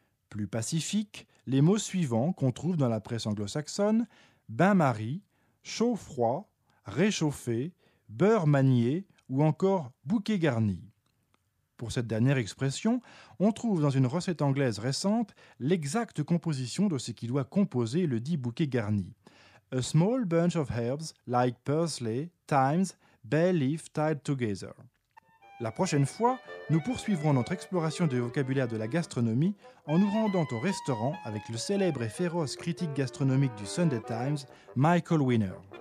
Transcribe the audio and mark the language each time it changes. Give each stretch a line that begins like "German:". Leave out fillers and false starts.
French: Plus pacifique, les mots suivants qu'on trouve dans la presse anglo-saxonne « bain-marie »,« chaud-froid »,« réchauffé », »,« beurre manié » ou encore « bouquet garni ». Pour cette dernière expression, on trouve dans une recette anglaise récente l'exacte composition de ce qui doit composer le dit bouquet garni.
English: A small bunch of herbs like parsley, thyme, bay leaf tied together.
French: La prochaine fois, nous poursuivrons notre exploration du vocabulaire de la gastronomie en nous rendant au restaurant avec le célèbre et féroce critique gastronomique du Sunday Times, Michael Winner.